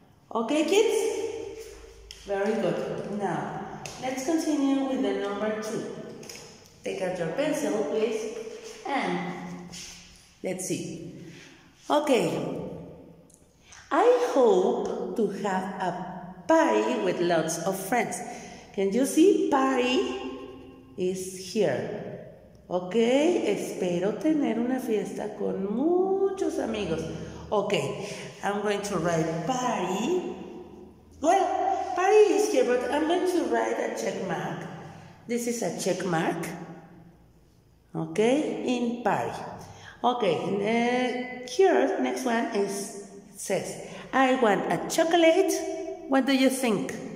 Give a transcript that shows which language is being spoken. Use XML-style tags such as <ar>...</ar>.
<en>Okay, kids? Very good. Now, let's continue with the number two. Take out your pencil, please. And let's see. Okay. I hope to have a party with lots of friends. Can you see? Party is here.</en> <es>Okay, espero tener una fiesta con muchos amigos.</es> <en>Okay, I'm going to write party. Well, party is here, but I'm going to write a check mark. This is a check mark. Okay, in party. Okay, here, next one is, it says, I want a chocolate. What do you think?</en>